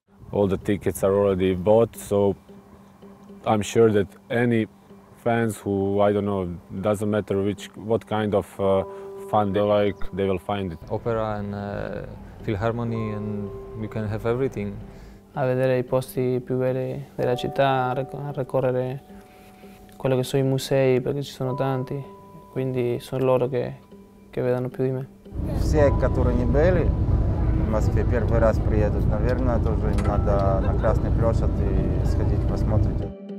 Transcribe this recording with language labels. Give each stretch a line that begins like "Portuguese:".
English: All the tickets are already bought, so I'm sure that any fans who, I don't know, doesn't matter which, what kind of fun they like, they will find it. Opera and philharmony, and you can have everything.
Italian: A vedere I posti più belli della città, a recorrere quello che sono I musei, perché ci sono tanti, quindi sono loro che vedono più di me.
Russian: Все, которые не были. В Москве первый раз приедут, наверное, тоже надо на Красную площадь и сходить посмотреть.